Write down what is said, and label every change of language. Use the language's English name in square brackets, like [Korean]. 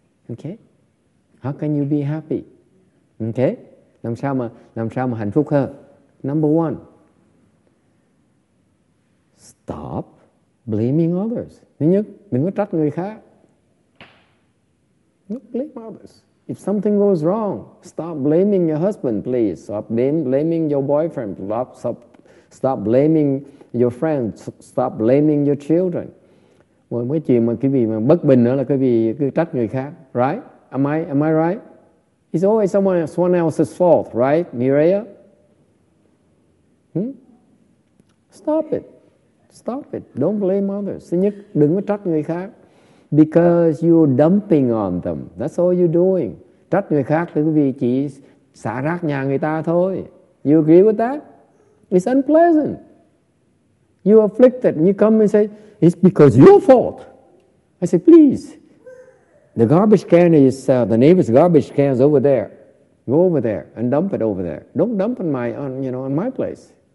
[English] Okay, how can you be happy? Okay, [Vietnamese] làm sao mà hạnh phúc hơn? [English] Number one, stop blaming others. [Vietnamese] Thứ nhất, đừng có trách người khác. [English] Don't blame others. If something goes wrong, stop blaming your husband, please. Stop blaming your boyfriend. Stop blaming your friends. Stop blaming your children. [Vietnamese] Well, mấy chuyện mà quý vị mà bất bình nữa là quý vị cứ trách người khác, right? [English] Am I right? It's always someone else's fault, right, Mireya? Stop it. Don't blame others. [Vietnamese] Thứ nhất, đừng có trách người khác. [English] Because you're dumping on them. That's all you're doing. [Vietnamese] Trách người khác là quý vị chỉ xả rác nhà người ta thôi. [English] You agree with that? It's unpleasant. You're afflicted. And you come and say, it's because your fault. I say, please. The garbage can is, the neighbor's garbage can is over there. Go over there and dump it over there. Don't dump on my, on my place.